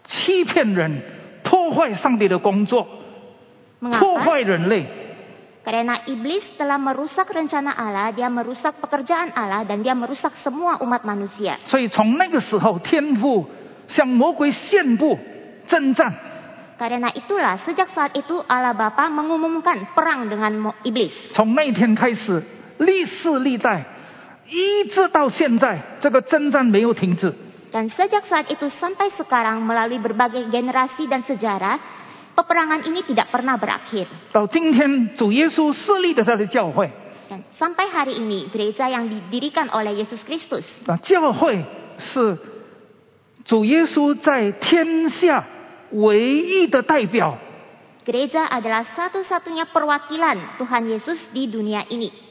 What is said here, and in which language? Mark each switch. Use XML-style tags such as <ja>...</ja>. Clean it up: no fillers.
<zh>因为魔鬼撒旦欺骗人，破坏上帝的工作，嘲笑人类。</zh> <id>Mengapa?</id> <zh>破坏人类。</zh> <id>Karena iblis telah merusak rencana Allah, dia merusak pekerjaan Allah dan dia merusak semua umat manusia.</id> <zh>所以从那个时候，天父向魔鬼宣布征战。</zh> <id>Karena itulah sejak saat itu Allah Bapa mengumumkan perang dengan iblis.</id> <zh>从那天开始, 历世历代, 一直到现在, 这个征战没有停止。</zh> <id>Dan sejak saat itu sampai sekarang melalui berbagai generasi dan sejarah, peperangan ini tidak pernah berakhir.</id> <zh>到今天主耶稣设立的他的教会。</zh> <id>Dan sampai hari ini gereja yang didirikan oleh Yesus Kristus.</id> <zh>教会是主耶稣在天下 唯一的代表。</zh> <id>Gereja adalah satu-satunya perwakilan Tuhan Yesus di dunia ini.</id>